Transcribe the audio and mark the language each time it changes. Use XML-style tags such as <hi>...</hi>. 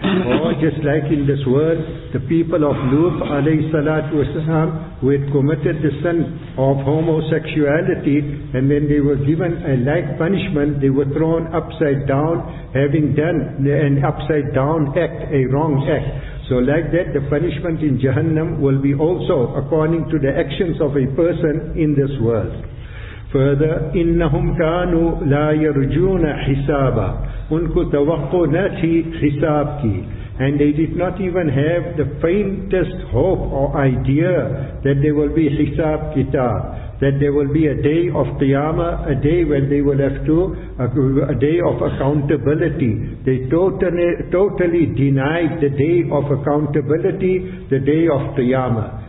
<en>Or just like in this world, the people of Lut alayhi salatu wasalam, who had committed the sin of homosexuality, and then they were given a like punishment. They were thrown upside down, having done an upside down act, a wrong act. So like that, the punishment in Jahannam will be also according to the actions of a person in this world. Further,</en> <ar>إِنَّهُمْ كَانُوا لَا يَرْجُونَ حِسَابًا.</ar> <ur>Unko tawakku na thi hisab ki.</ur> <en>And they did not even have the faintest hope or idea that there will be hisab kitab, that there will be a day of qiyamah, a day when they will have to, a day of accountability. They totally denied the day of accountability, the day of qiyamah.</en>